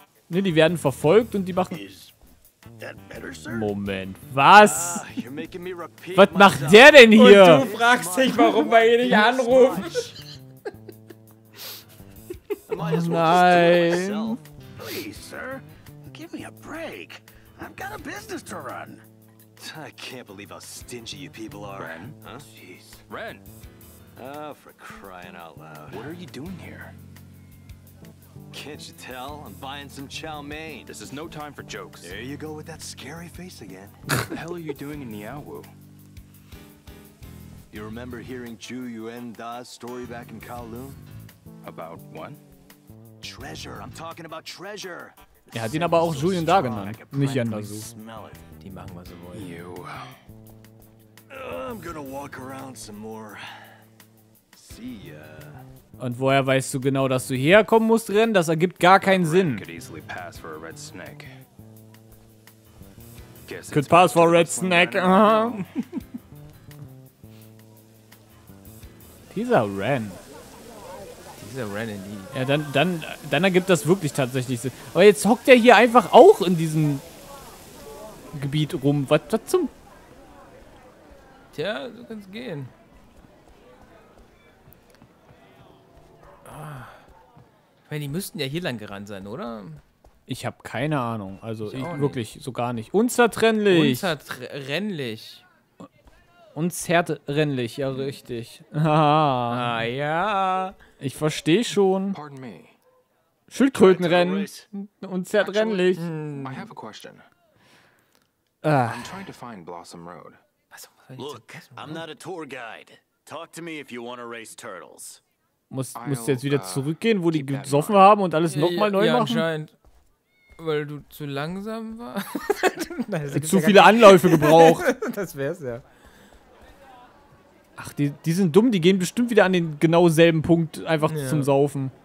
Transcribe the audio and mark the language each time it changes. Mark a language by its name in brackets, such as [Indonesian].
[German] Ne, die werden verfolgt und die machen... Better, Moment, was? Was macht der denn hier? Und du fragst dich, warum wir ihn nicht anrufen. Oh nein. [English] Please, sir, give me a break. I've got a business to run. I can't believe how stingy you people are. Ren? Huh? Jeez. Ren! Oh, for crying out loud. What are you doing here? Can't you tell? I'm buying some chow mein. This is no time for jokes. There you go with that scary face again. What the hell are you doing in Niawu? You remember hearing Zhu Yuan Da's story back in Kowloon? About what? Treasure. I'm talking about treasure. [German] Er hat ihn aber auch Julian da genannt, nicht Yandazu. Die machen, was sie wollen. [English] You. I'm gonna walk around some more. See ya. [German] Und woher weißt du genau, dass du herkommen musst, Ren? Das ergibt gar keinen Sinn. [English] Could pass for a red snake. [German] Dieser Ren in die. Ja, dann ergibt das wirklich tatsächlich Sinn. Aber jetzt hockt er hier einfach auch in diesem Gebiet rum. Was zum... Tja, so kann's gehen. Ich meine, die müssten ja hier lang gerannt sein, oder? Ich habe keine Ahnung. Also ich wirklich so gar nicht. Unzertrennlich. Unzertrennlich. Unzertrennlich, ja richtig. ja. Ich verstehe schon. [English] Pardon me. [German] Schildkrötenrennen. Unzertrennlich. [English] I have a question. I'm trying to find Blossom Road. Look, I'm not a tour guide. Talk to me if you want to race turtles. [German] Musst du jetzt wieder zurückgehen, wo die gesoffen haben und alles nochmal neu machen? Ja, anscheinend. Weil du zu langsam warst. Nein, zu viele Anläufe gebraucht. Das wär's ja. Ach, die sind dumm, die gehen bestimmt wieder an den genau selben Punkt einfach zum Saufen.